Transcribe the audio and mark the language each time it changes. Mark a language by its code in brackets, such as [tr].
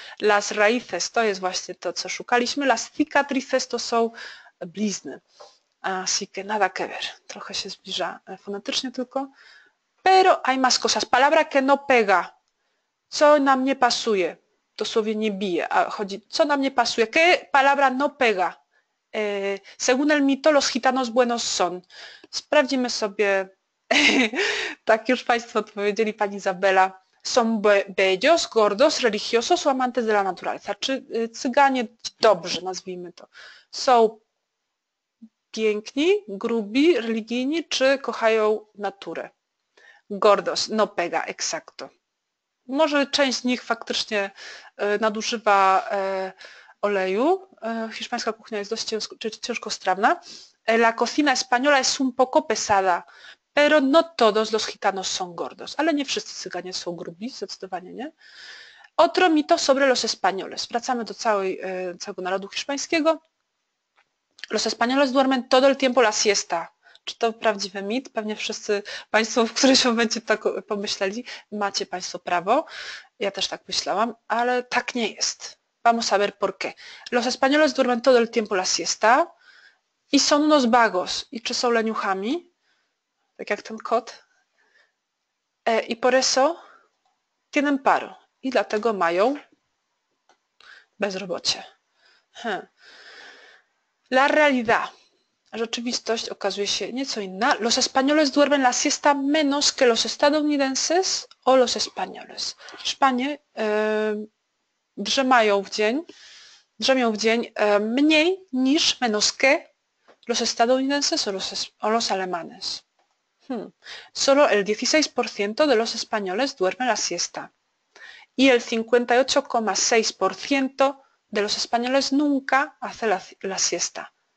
[pl] Las raíces to jest właśnie to, co szukaliśmy. Las cicatrices to są blizny. [es] Así que nada que ver. [pl] Trochę się zbliża fonetycznie tylko. [es] Pero hay más cosas. Palabra que no pega. [pl] Co nam nie pasuje? To słowie nie bije, a chodzi, co nam nie pasuje? [es] ¿Qué palabra no pega? Según el mito, los gitanos buenos son. [pl] Sprawdzimy sobie. Tak już Państwo odpowiedzieli, Pani Izabela. Są [es] bellos, gordos, religiosos, amantes de la naturaleza. [pl] Czy cyganie, dobrze nazwijmy to, są piękni, grubi, religijni, czy kochają naturę? [es] Gordos, no pega, exacto. [pl] Może część z nich faktycznie nadużywa oleju. Hiszpańska kuchnia jest dość ciężkostrawna. [es] La cocina española es un poco pesada. Pero no todos los gitanos son gordos. [pl] Ale nie wszyscy cyganie są grubi, zdecydowanie nie. [es] Otro mito sobre los españoles. [pl] Wracamy do całego narodu hiszpańskiego. [es] Los españoles duermen todo el tiempo la siesta. [pl] Czy to prawdziwy mit? Pewnie wszyscy Państwo w którymś momencie tak pomyśleli. Macie Państwo prawo. Ja też tak myślałam, ale tak nie jest. [es] Vamos a ver por qué. Los españoles duermen todo el tiempo la siesta y son unos vagos. [pl] I czy są leniuchami? Tak jak ten kot. I [es] por eso tienen paro. [pl] I dlatego mają bezrobocie. [es] La realidad. [pl] Rzeczywistość okazuje się nieco inna. [es] Los españoles duermen la siesta menos que los estadounidenses o los españoles. [pl] Hiszpanie drzemią w dzień mniej niż [es] menos que los estadounidenses o los alemanes. Solo el 16% de los españoles duerme la siesta. Y el 58,6% de los españoles nunca hace la siesta.